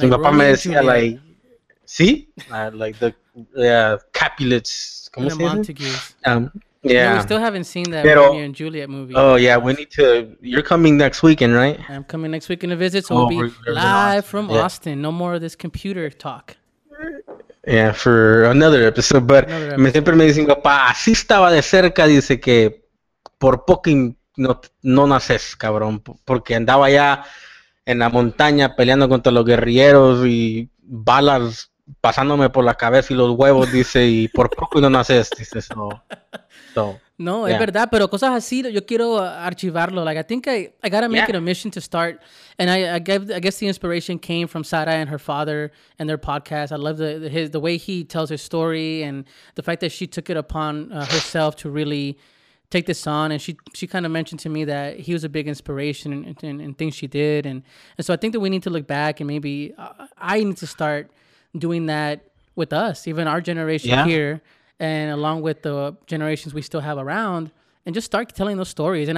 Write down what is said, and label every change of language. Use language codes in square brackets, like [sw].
[es] Mi papá me decía, like, ¿sí? [en] Like the Capulets. [es] ¿Cómo se dice? The [en] Montagues. Yeah. We still haven't seen that Romeo and Juliet movie. Oh, yeah. We need to. You're coming next weekend, right? I'm coming next weekend to visit. So we'll be live from Austin. No more of this computer talk. Yeah, for another episode. [es] But me siempre me dicen, papá, así estaba de cerca. Dice que por poco no naces, cabrón. Porque andaba ya en la montaña peleando contra los guerrilleros y balas pasándome por la cabeza y los huevos, dice, y por poco no naces, dice, so [en] no, yeah, [es] es verdad, pero cosas así yo quiero archivarlo, [en] like, I think I gotta make it a mission to start, and I guess the inspiration came from Sara and her father and their podcast. I love the way he tells his story and the fact that she took it upon herself to really take this on, and she kind of mentioned to me that he was a big inspiration in things she did, and so I think that we need to look back, and maybe I need to start doing that with us, even our generation here, and along with the generations we still have around, and just start telling those stories.